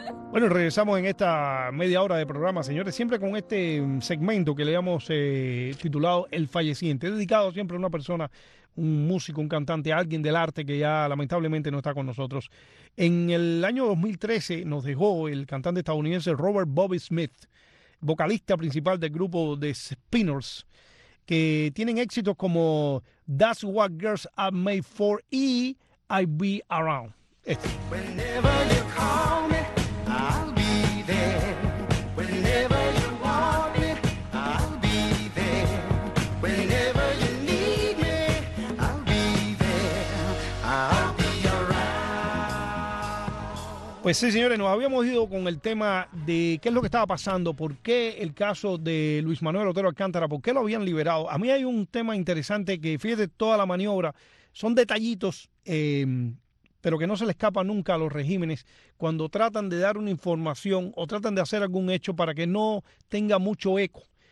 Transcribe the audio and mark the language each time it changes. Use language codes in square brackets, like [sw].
[es] Bueno, regresamos en esta media hora de programa, señores, siempre con este segmento que le hemos titulado El falleciente, dedicado siempre a una persona, un músico, un cantante, alguien del arte que ya lamentablemente no está con nosotros. En el año 2013 nos dejó el cantante estadounidense Robert Bobby Smith, vocalista principal del grupo The Spinners, que tienen éxitos como That's What Girls Are Made For y I'll Be Around. Este. [en] Whenever you call me, I'll be there. Whenever you want me, I'll be there. Whenever you need me, I'll be there. I'll be around. [es] Pues sí, señores, nos habíamos ido con el tema de qué es lo que estaba pasando, por qué el caso de Luis Manuel Otero Alcántara, por qué lo habían liberado. A mí hay un tema interesante que, fíjate, toda la maniobra, son detallitos, pero que no se le escapa nunca a los regímenes cuando tratan de dar una información o tratan de hacer algún hecho para que no tenga mucho eco.